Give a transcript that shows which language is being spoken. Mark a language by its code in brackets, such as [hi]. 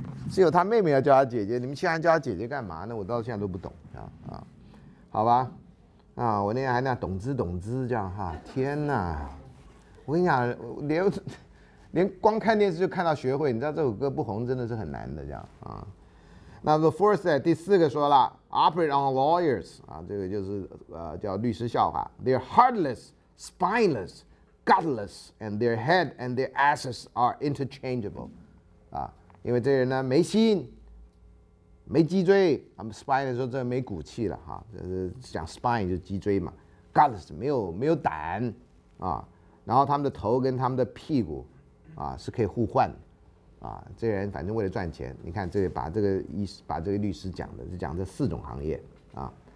[zh] 只有他妹妹要叫他姐姐，你们其他人叫他姐姐干嘛呢？我到现在都不懂啊啊，好吧，啊，我那天还那懂之懂之这样哈，天哪！我跟你讲，连光看电视就看到学会，你知道这首歌不红真的是很难的这样啊。 [en] 那 the fourth set [zh] 第四个说了 [en] ，operate on lawyers [zh] 啊，这个就是叫律师笑话 [en] ，they're heartless, spineless, gutless, and their head and their asses are interchangeable， 啊。 [zh] 因为这人呢没心，没脊椎。 [en] I'm spine [zh] 说这没骨气了哈，就是讲 spine 就是脊椎嘛。 Gutless 没有胆啊，然后他们的头跟他们的屁股啊是可以互换啊。这人反正为了赚钱，你看这里把这个医把这个律师讲的就讲这四种行业啊。